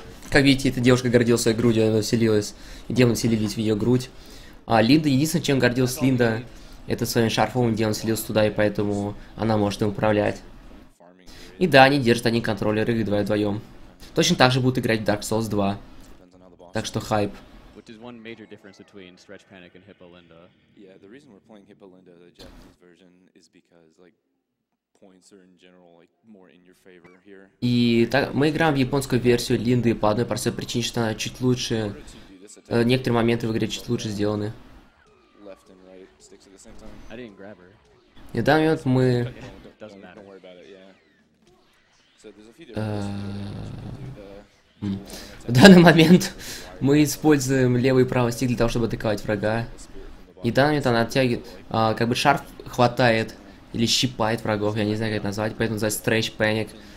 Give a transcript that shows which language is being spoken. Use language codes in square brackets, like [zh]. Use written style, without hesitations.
[ru] Как видите, эта девушка гордилась своей грудью, она вселилась. И демоны вселились в ее грудь. А Линда, единственное, чем гордилась Линда, это своим шарфом, где он вселился туда, и поэтому она может им управлять. И да, они держат они контроллеры вдвоем. Точно так же будут играть в Dark Souls 2. Так что хайп. [en] Which is one major difference between Stretch Panic and Hippolinda. Yeah, the reason we're playing Hippolinda, the Japanese version, is because like points are in general like more in your favor here. [ru] И так мы играем в японскую версию Линды по одной простой причине, что она чуть лучше. Некоторые моменты в игре чуть лучше сделаны. [en] Left and right sticks at the same time. I didn't grab her. [ru] И в данный момент мы. [en] Don't worry about it. Yeah. So there's a few different. [ru] В данный момент мы используем левый и правый стик для того, чтобы атаковать врага. И в данный момент она оттягивает, как бы шарф хватает или щипает врагов, я не знаю, как это назвать, поэтому называется Stretch Panic.